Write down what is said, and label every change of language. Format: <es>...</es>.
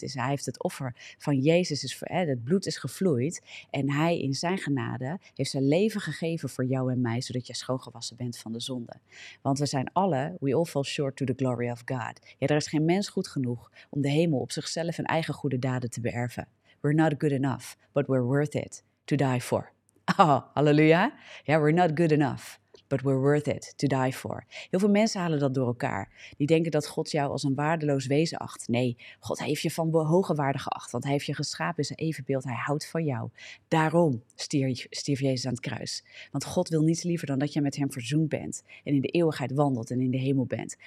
<nl>Dus hij heeft het offer van Jezus. Het bloed is gevloeid. En hij in zijn genade heeft zijn leven gegeven voor jou en mij. Zodat je schoongewassen bent van de zonde. Want we zijn alle,</nl> <en>we all fall short to the glory of God.</en> <nl>Ja, er is geen mens goed genoeg om de hemel op zichzelf en eigen goede daden te beërven.</nl> <en>We're not good enough, but we're worth it to die for. Oh, halleluja. Ja, we're not good enough, but we're worth it to die for.</en> <nl>Heel veel mensen halen dat door elkaar. Die denken dat God jou als een waardeloos wezen acht. Nee, God heeft je van hoge waarde geacht, want hij heeft je geschapen in zijn evenbeeld. Hij houdt van jou. Daarom stierf Jezus aan het kruis. Want God wil niets liever dan dat je met hem verzoend bent en in de eeuwigheid wandelt en in de hemel bent.</nl>